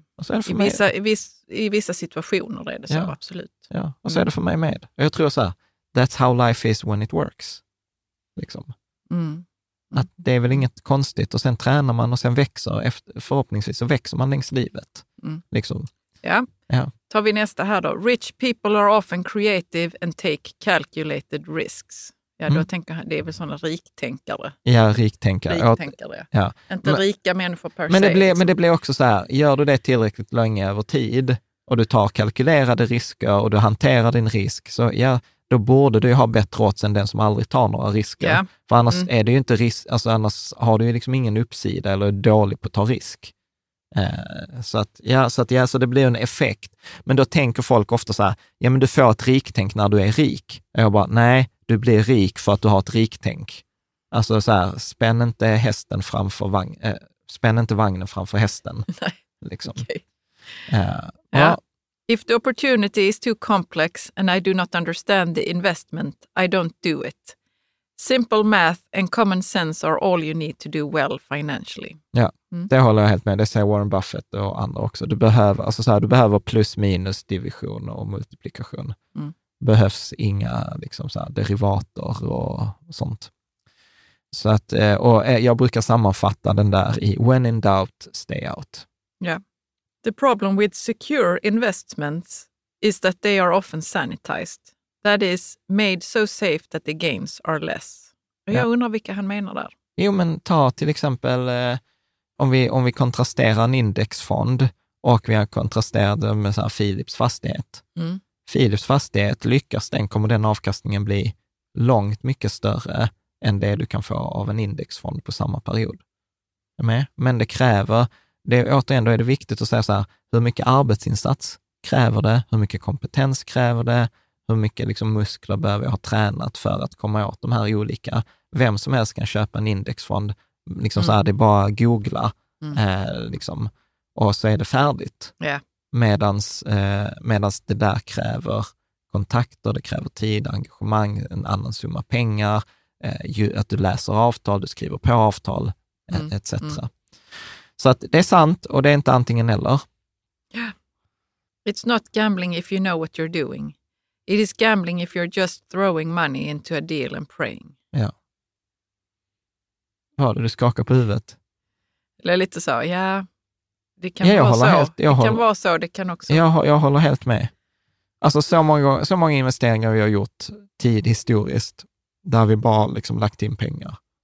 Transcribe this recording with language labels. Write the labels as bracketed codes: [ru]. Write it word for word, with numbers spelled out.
[sv] Uh, i, vissa, i, viss, I vissa situationer är det så, ja. Absolut. Ja. Och så är det för mig med. Jag tror så här, [en] that's how life is when it works. [sv] Liksom. Mm. Mm. Att det är väl inget konstigt, och sen tränar man och sen växer, efter, förhoppningsvis så växer man längs livet. Mm. Liksom. Ja. Ja. Tar vi nästa här då. [en] Rich people are often creative and take calculated risks. [sv] Ja, då mm. tänker han, det är väl sådana riktänkare. Ja, riktänkare. riktänkare. Ja. Inte men, rika människor per men se. Det blir, liksom. Men det blir också så här, gör du det tillräckligt länge över tid och du tar kalkylerade risker och du hanterar din risk, så ja, då borde du ha bättre odds än den som aldrig tar några risker. Ja. För annars, mm. är det ju inte risk, alltså annars har du ju liksom ingen uppsida eller är dålig på att ta risk. Eh, så att, ja, så att ja, så det blir en effekt. Men då tänker folk ofta så här, ja men du får ett riktänk när du är rik. Och jag bara, nej. Du blir rik för att du har ett riktänk. Alltså så här, spänn inte hästen framför vagn, äh, spänn inte vagnen framför hästen. Nej. Liksom. [en] Okay. Uh, yeah. If the opportunity is too complex and I do not understand the investment, I don't do it. Simple math and common sense are all you need to do well financially. [sv] Ja, mm. det håller jag helt med. Det säger Warren Buffett och andra också. Du behöver, alltså så här, du behöver plus minus division och multiplikation. Mm. Behövs inga liksom så här, derivater och sånt. Så att, och jag brukar sammanfatta den där i [en] when in doubt, stay out. Yeah. The problem with secure investments is that they are often sanitized. That is, made so safe that the gains are less. [sv] Och jag ja. undrar vilka han menar där. Jo, men ta till exempel om vi, om vi kontrasterar en indexfond och vi har kontrasterat med så här Philips fastighet. Mm. Philips fastighet, lyckas den kommer den avkastningen bli långt mycket större än det du kan få av en indexfond på samma period. Men det kräver, det, återigen då är det viktigt att säga så här, hur mycket arbetsinsats kräver det, hur mycket kompetens kräver det, hur mycket liksom muskler behöver jag ha tränat för att komma åt de här olika, vem som helst kan köpa en indexfond, liksom mm. så här, det är bara att googla mm. eh, liksom, och så är det färdigt. [en] Yeah. [sv] Medans, eh, medans det där kräver kontakter, det kräver tid, engagemang, en annan summa pengar, eh, ju, att du läser avtal, du skriver på avtal, eh, mm. et cetera. Mm. Så att det är sant och det är inte antingen eller. [en] Yeah. It's not gambling if you know what you're doing. It is gambling if you're just throwing money into a deal and praying. [sv] Ja. Vad du skakar på huvudet? Eller lite så, ja... Yeah. Det kan, ja, vara, så. Helt, det kan håller, vara så, det kan också. Jag, jag håller helt med. Alltså så många, så många investeringar vi har gjort tid historiskt, där vi bara liksom lagt in pengar.